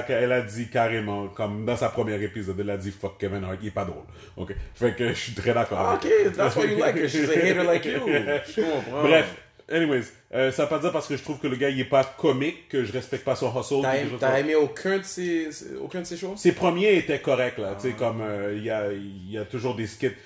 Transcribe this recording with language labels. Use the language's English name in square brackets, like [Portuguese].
[French] Elle a dit carrément, comme dans sa première épisode, elle a dit fuck Kevin Hart, il est pas drôle. Ok. Fait que je suis très d'accord. [English] Ok, that's why you like her. She's a hater like you. [French] Je comprends. Bref, Anyways, ça veut pas dire parce que je trouve que le gars il est pas comique que je respecte pas son hustle. T'as aimé aucun de ses shows? Ses premiers étaient corrects là, tu sais, comme il y a toujours des skits.